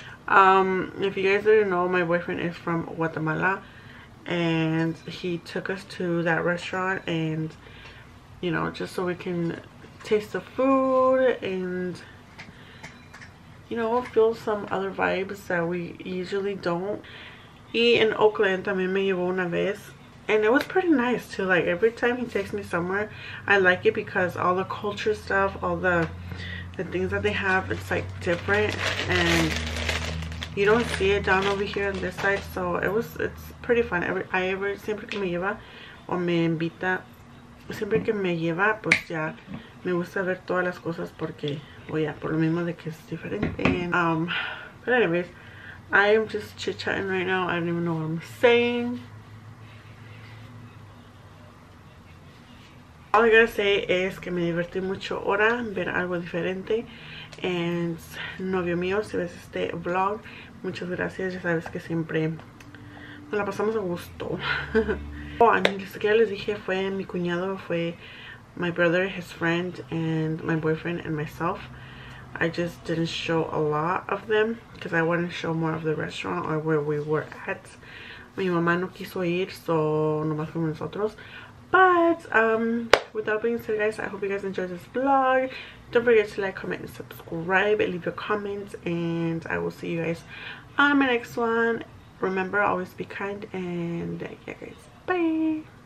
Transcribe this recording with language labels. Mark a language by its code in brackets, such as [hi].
[en] If you guys didn't know, my boyfriend is from Guatemala. And he took us to that restaurant and, you know, just so we can taste the food and, you know, feel some other vibes that we usually don't. [es] He in Oakland también me llevó una vez. [en] And it was pretty nice too. Like, every time he takes me somewhere, I like it because all the culture stuff, all the things that they have, it's like different. And you don't see it down over here on this side. So it's pretty fun. [es] Siempre que me lleva o me invita, siempre que me lleva, pues ya me gusta ver todas las cosas porque, oye, por lo mismo de que es diferente. [en] And, but anyways, I am just chit-chatting right now. I don't even know what I'm saying. All I gotta say is [es] que me divertí mucho ahora ver algo diferente. And novio mío, si ves este vlog, muchas gracias. Ya sabes que siempre nos la pasamos a gusto. [en] Oh, [es] ni siquiera les dije, fue mi cuñado, fue [en] my brother, his friend, and my boyfriend, and myself. I just didn't show a lot of them because I wanted to show more of the restaurant or where we were at. [es] Mi mamá no quiso ir, so nomás fuimos nosotros. [en] But, with that being said, guys, I hope you guys enjoyed this vlog. Don't forget to like, comment, and subscribe, and leave your comments, and I will see you guys on my next one. Remember, always be kind, and yeah, guys, bye!